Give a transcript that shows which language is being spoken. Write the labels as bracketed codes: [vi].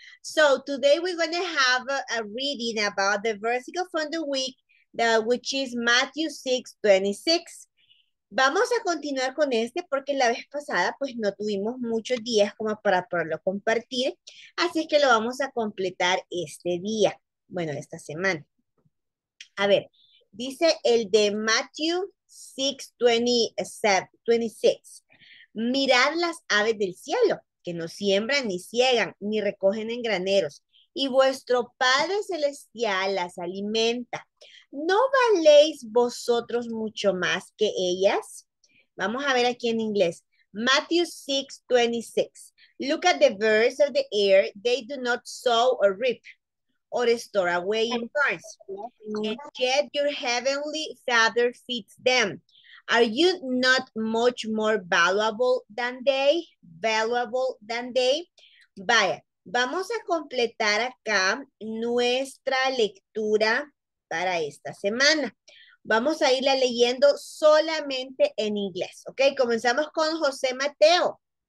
[en] So today we're going to have a reading about the versicle from the week, which is Matthew 6, 26. [es] Vamos a continuar con este porque la vez pasada pues no tuvimos muchos días como para poderlo compartir. Así es que lo vamos a completar este día, bueno, esta semana. A ver, dice el de Matthew 6, 26. Mirad las aves del cielo, que no siembran ni siegan ni recogen en graneros, y vuestro Padre Celestial las alimenta. ¿No valéis vosotros mucho más que ellas? Vamos a ver aquí en inglés. Matthew 6, 26. [en] Look at the birds of the air. They do not sow or reap or store away in barns. And yet your heavenly Father feeds them. Are you not much more valuable than they? Valuable than they? [es] Vaya, vamos a completar acá nuestra lectura para esta semana. Vamos a irla leyendo solamente en inglés, ¿ok? Comenzamos con José Mateo.